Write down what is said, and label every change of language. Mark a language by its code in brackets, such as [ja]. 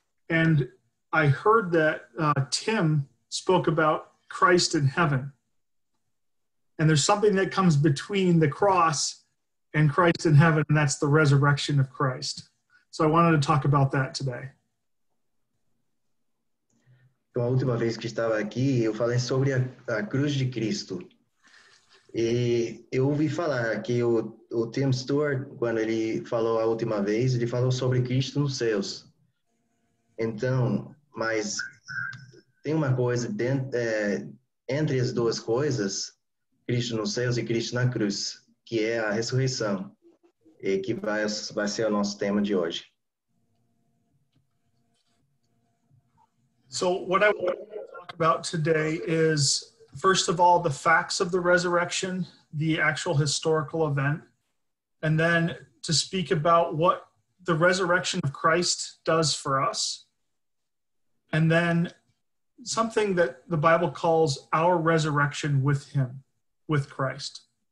[en] And I heard that Tim spoke about Christ in heaven. And there's something that comes between the cross and Christ in heaven, and that's the resurrection of Christ. So I wanted to talk about that today. [pt] Então, a última vez que estava aqui, eu falei sobre a cruz de Cristo. E eu ouvi falar que o Tim Stewart, quando ele falou a última vez, ele falou sobre Cristo nos céus. Então, mas tem uma coisa entre as duas coisas, Cristo nos céus e Cristo na cruz, que é a ressurreição, e que vai ser o nosso tema de hoje. [en] So, what I want to talk about today is, first of all, the facts of the resurrection, the actual historical event, and then to speak about what the resurrection of Christ does for us, and then something that the Bible calls our resurrection with him, with Christ.